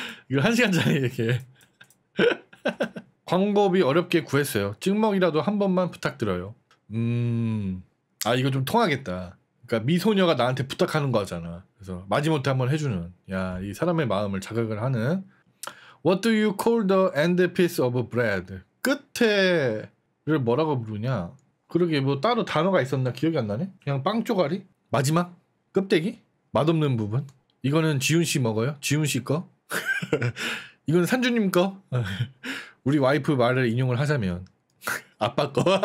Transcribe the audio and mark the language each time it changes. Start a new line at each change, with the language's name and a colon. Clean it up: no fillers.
Korean: 이거 1시간짜리 이렇게. 광고비 어렵게 구했어요. 찍먹이라도 한 번만 부탁드려요. 아 이거 좀 통하겠다. 그러니까 미소녀가 나한테 부탁하는 거잖아. 그래서 마지못해 한번 해주는. 야 이 사람의 마음을 자극을 하는.
English: What do you call the end piece of bread?
Korean: 끝에를 뭐라고 부르냐. 그러게 뭐 따로 단어가 있었나 기억이 안 나네. 그냥 빵 쪼가리? 마지막? 껍데기? 맛없는 부분? 이거는 지훈 씨 먹어요? 지훈 씨 거? 이건 산주님 거? 우리 와이프 말을 인용을 하자면 아빠 거.